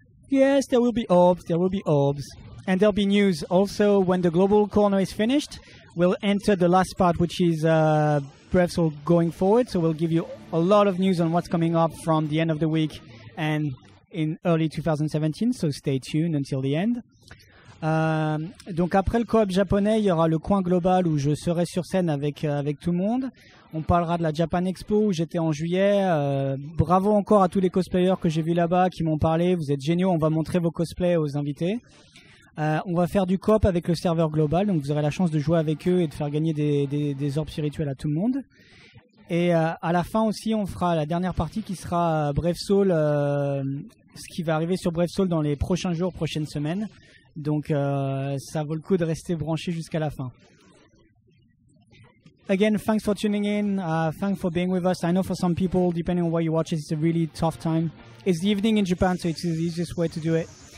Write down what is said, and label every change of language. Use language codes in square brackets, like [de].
[en] Yes, there will be orbs, there will be orbs. And there'll be news. Also, when the global corner is finished, we'll enter the last part, which is Brave Soul going forward. So we'll give you a lot of news on what's coming up from the end of the week and in early 2017. So stay tuned until the end. [fr] Donc après le co-op japonais, il y aura le coin global où je serai sur scène avec tout le monde. On parlera de la Japan Expo où j'étais en juillet. Bravo encore à tous les cosplayers que j'ai vus là-bas qui m'ont parlé. Vous êtes géniaux, on va montrer vos cosplays aux invités. On va faire du co-op avec le serveur global, donc vous aurez la chance de jouer avec eux et de faire gagner des orbes spirituels à tout le monde. Et à la fin aussi, on fera la dernière partie qui sera Brave Soul, ce qui va arriver sur Brave Soul dans les prochains jours, prochaines semaines. Donc ça vaut le coup de rester branché jusqu'à la fin. [en] Again, thanks for tuning in. Thanks for being with us. I know for some people, depending on where you watch it, it's a really tough time. It's the evening in Japan, so it's the easiest way to do it.